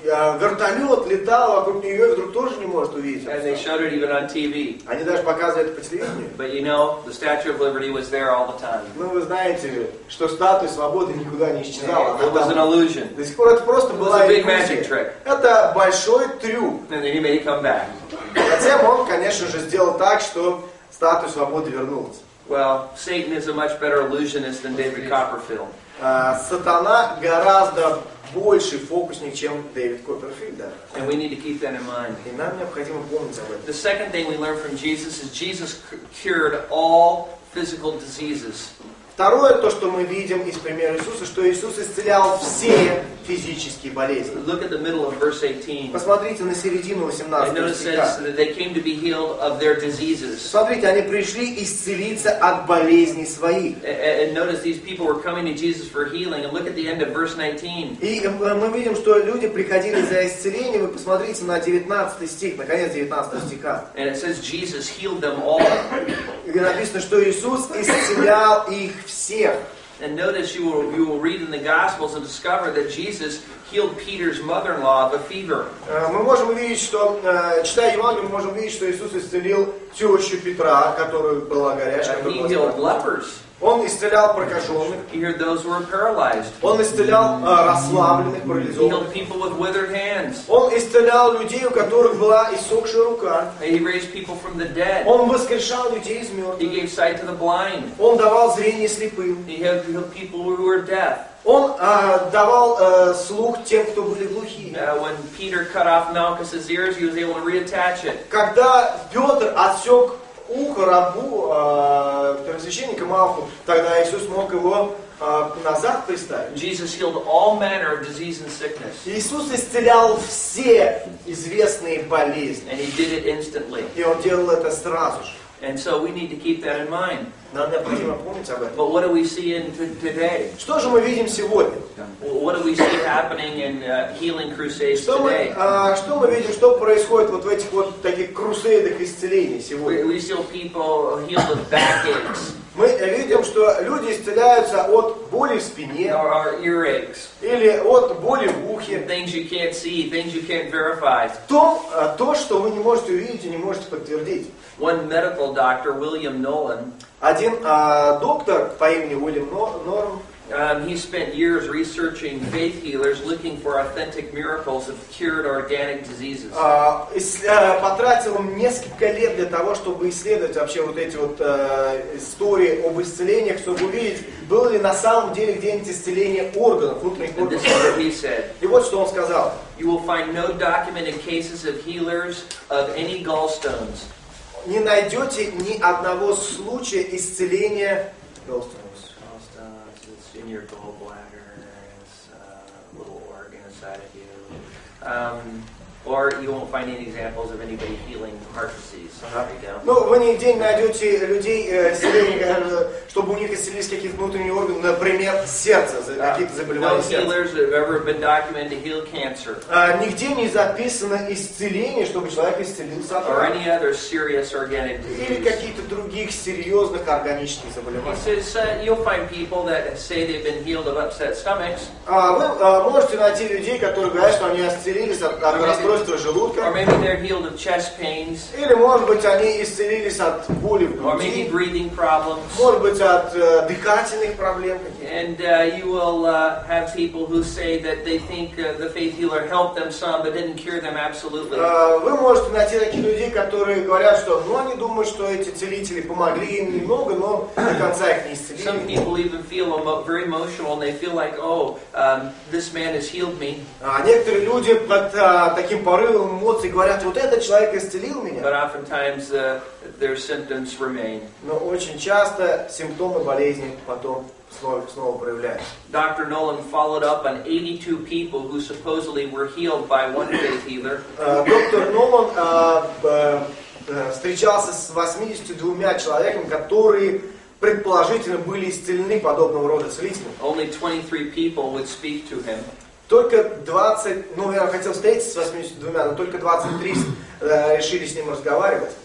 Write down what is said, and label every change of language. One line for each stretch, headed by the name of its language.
Russian: вертолет летал вокруг нее, и вдруг тоже не может увидеть.
English: And they showed it even on TV.
Russian: Они даже показывали это по телевидению.
English: But you know, the Statue of Liberty was there all the time.
Russian: Ну, вы знаете, что статуя свободы никуда не исчезала.
English: It was an illusion.
Russian: До сих пор это просто была иллюзия. Это большой трюк.
English: And then he made it come back.
Russian: Затем он, конечно же, сделал так, что статуя свободы вернулась.
English: Well, Satan is a much better illusionist than David Copperfield.
Russian: Сатана гораздо больше фокусник, чем Дэвид Копперфильд.
English: And we need to keep that in mind.
Russian: И нам необходимо помнить об этом.
English: The second thing we learn from Jesus is Jesus cured all physical diseases.
Russian: Второе, то, что мы видим из примера Иисуса, что Иисус исцелял все физические болезни.
English: Look at the middle of verse 18.
Russian: Посмотрите на середину 18 стиха.
English: It says that they came to be healed of their diseases.
Russian: Смотрите, они пришли исцелиться от болезней своих.
English: And notice these people were coming to Jesus for healing. And look at the end of verse 19.
Russian: И мы видим, что люди приходили за исцелением. И посмотрите на 19 стих, на конец 19 стиха.
English: And it says Jesus healed them all.
Russian: Написано, что Иисус исцелял их всех.
English: And notice you will read in the Gospels and discover that Jesus healed Peter's mother-in-law of a fever.
Russian: Мы можем увидеть, что читая Евангелие, мы можем увидеть, что Иисус исцелил тещу Петра, которая была горячка.
English: He healed lepers.
Russian: Он исцелял прокаженных.
English: He healed those who were paralyzed.
Russian: Он исцелял расслабленных, парализованных.
English: He healed people with withered hands.
Russian: Он исцелял людей, у которых была иссохшая рука.
English: He raised people from the dead.
Russian: Он воскрешал людей из мертвых.
English: He gave sight to the blind.
Russian: Он давал зрение слепым.
English: He healed people who were deaf.
Russian: Он давал слух тем, кто были глухи.
English: When Peter cut off Malchus's ears, he was able to reattach it.
Russian: Когда Петр отсек ухо рабу первосвященника Малху, тогда Иисус мог его назад приставить.
English: Jesus healed all manner of disease and sickness.
Russian: Иисус исцелял все известные болезни.
English: And he did it instantly.
Russian: И он делал это сразу же.
English: And so we need to keep that in mind.
Russian: Нам необходимо помнить об этом.
English: But what do we see in today?
Russian: Что же мы видим сегодня?
English: What do we see happening in healing crusades
Russian: что
English: today?
Russian: Что мы видим, что происходит вот в этих вот таких крусейдах исцелений сегодня?
English: We see people healed with backaches.
Russian: Мы видим, что люди исцеляются от боли в спине.
English: Or our earaches.
Russian: Или от боли в ухе.
English: Things you can't see, things you can't verify.
Russian: То, что вы не можете увидеть и не можете подтвердить.
English: One medical doctor, William Nolan.
Russian: Один доктор по имени Уильям Норм.
English: He spent years researching faith healers, looking for authentic miracles of cured organic diseases.
Russian: Потратил он несколько лет для того, чтобы исследовать вообще вот эти вот истории об исцелениях, чтобы увидеть, было ли на самом деле где-нибудь исцеление органов, внутренних органов.
English: And this is what he said.
Russian: И вот что он сказал.
English: You will find no documented cases of healers of any gallstones.
Russian: Не найдете ни одного случая исцеления gallstones.
English: It's in your gallbladder, it's a little organ inside of you. Or you won't find any examples of anybody healing heart disease.
Russian: Ну, вы нигде не найдете людей, чтобы у них исцелились какие-то внутренние органы, например, сердце, какие-то заболевания сердца.
English: No healers have ever been documented to heal cancer.
Russian: Нигде не записано исцеление, чтобы человек исцелился от рака.
English: Or any other serious organic disease.
Russian: Или каких-то других серьезных органических заболеваний.
English: He says, you'll find people that say they've been healed of upset stomachs.
Russian: Вы можете найти людей, которые говорят, что они исцелились от расстройства желудка.
English: Or maybe they're healed of chest pains.
Russian: Или, может быть, они исцелились от боли в груди.
English: Or maybe breathing problems.
Russian: Может быть, от дыхательных проблем.
English: And you will have people who say that they think the faith healer helped them some, but didn't cure them absolutely.
Russian: Вы можете найти таких людей, которые говорят, что, ну, они думают, что эти целители помогли им немного, но до конца их не исцелили.
English: Some people even feel very emotional, and they feel like, oh, this man has healed me.
Russian: Некоторые люди под таким порывом эмоций говорят, вот этот человек исцелил меня.
English: But oftentimes their symptoms remain.
Russian: Но очень часто симптомы болезни потом снова проявляются.
English: Dr. Nolan followed up on 82 people who supposedly were healed by one faith healer.
Russian: Доктор Нолан встречался с 82 человеками, которые предположительно были исцелены подобного рода целителем.
English: Only 23 people would speak to him.
Russian: Только 20, ну я хотел встретиться с 82, но только 23 решили с ним разговаривать.